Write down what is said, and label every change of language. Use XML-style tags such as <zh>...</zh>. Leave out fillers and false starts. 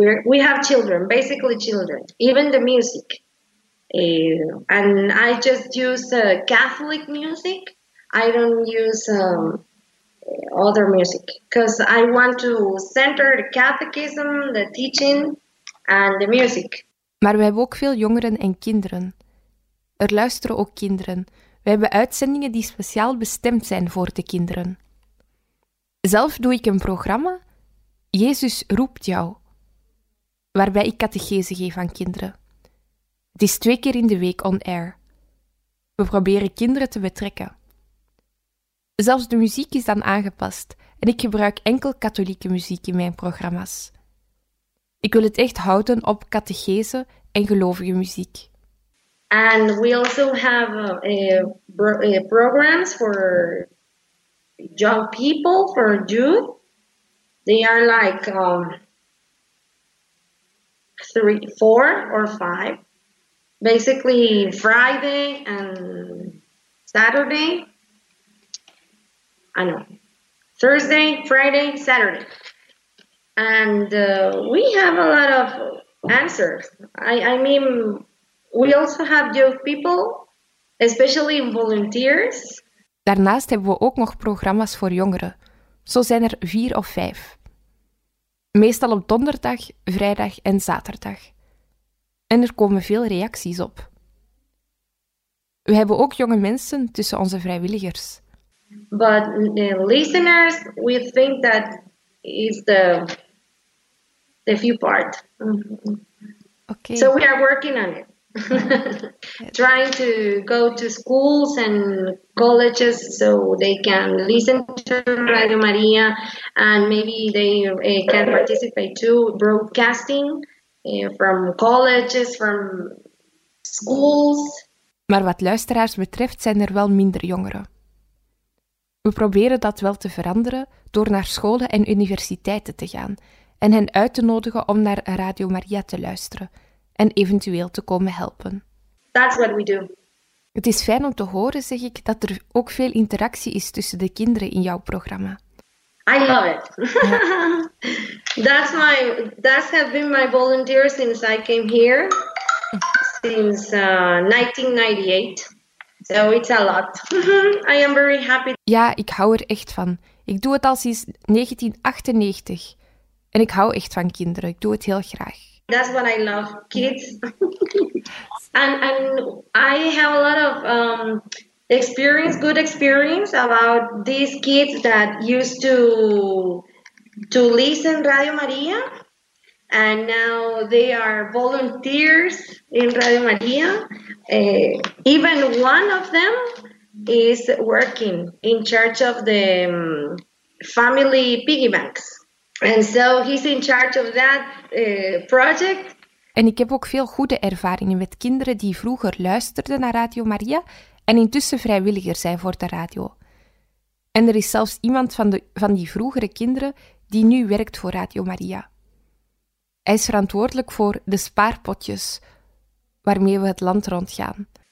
<en>We have children, basically children, even the music. And I just use Catholic music. I don't use other music because I want to center the catechism, the teaching and the music.</en> <nl>Maar we hebben ook veel jongeren en kinderen. Er luisteren ook kinderen. We hebben uitzendingen die speciaal bestemd zijn voor de kinderen. Zelf doe ik een programma, Jezus roept jou, waarbij ik catechese geef aan kinderen. Het is 2 keer in de week on air. We proberen kinderen te betrekken. Zelfs de muziek is dan aangepast en ik gebruik enkel katholieke muziek in mijn programma's. Ik wil het echt houden op catechese en gelovige muziek.</nl> <en>En we also have programs for young people, for youth. They are like 3, 4 or 5. Basically Friday and Saturday. I know. Thursday, Friday, Saturday. And we have a lot of answers. I mean, we also have youth people, especially volunteers.</en> <nl>Daarnaast hebben we ook nog programma's voor jongeren. Zo zijn er 4 of 5. Meestal op donderdag, vrijdag en zaterdag. En er komen veel reacties op. We hebben ook jonge mensen tussen onze vrijwilligers.</nl> <en>But the listeners, we think that is the few part. Okay. So we are working on it. Trying to go to schools and colleges so they can listen to Radio Maria and maybe they can participate too, broadcasting from colleges, from schools.</en> <nl>Maar wat luisteraars betreft zijn er wel minder jongeren. We proberen dat wel te veranderen door naar scholen en universiteiten te gaan en hen uit te nodigen om naar Radio Maria te luisteren en eventueel te komen helpen.</nl> <en>That's what we do.</en> <nl>Het is fijn om te horen, zeg ik, dat er ook veel interactie is tussen de kinderen in jouw programma.</nl> <en>I love it. That has been my volunteer since I came here. Since 1998. So it's a lot. I am very happy.</en> <nl>Ja, ik hou er echt van. Ik doe het al sinds 1998. En ik hou echt van kinderen. Ik doe het heel graag.</nl> <en>That's what I love, kids. and I have a lot of good experience about these kids that used to listen Radio Maria, and now they are volunteers in Radio Maria. Even one of them is working in charge of the family piggy banks. And so he's in charge of that project.</en> <nl>En ik heb ook veel goede ervaringen met kinderen die vroeger luisterden naar Radio Maria en intussen vrijwilliger zijn voor de radio. En er is zelfs iemand van die vroegere kinderen die nu werkt voor Radio Maria. Hij is verantwoordelijk voor de spaarpotjes waarmee we het land rondgaan.</nl>